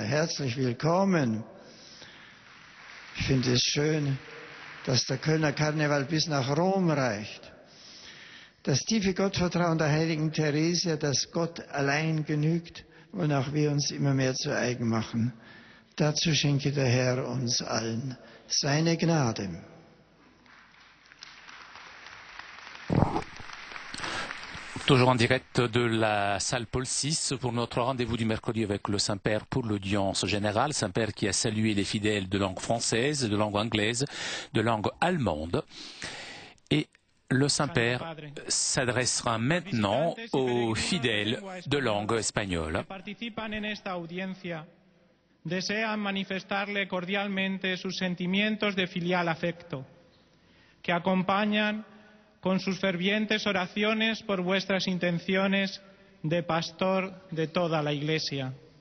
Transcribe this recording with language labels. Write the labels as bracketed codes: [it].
[de] Herzlich willkommen. Ich finde es schön, dass der Kölner Karneval bis nach Rom reicht. Das tiefe Gottvertrauen der heiligen Theresia, dass Gott allein genügt, wollen auch wir uns immer mehr zu eigen machen. Dazu schenke der Herr uns allen seine Gnade. [fr] Toujours en direct de la salle Paul VI pour notre rendez-vous du mercredi avec le Saint-Père pour l'audience générale. Saint-Père qui a salué les fidèles de langue française, de langue anglaise, de langue allemande. Et le Saint-Père s'adressera maintenant aux fidèles de langue espagnole. Qui participent [es] en esta audiencia desean manifestarle cordialmente sus sentimientos de filial afecto que acompañan con sus fervientes oraciones por vuestras intenciones de pastor de toda la Iglesia.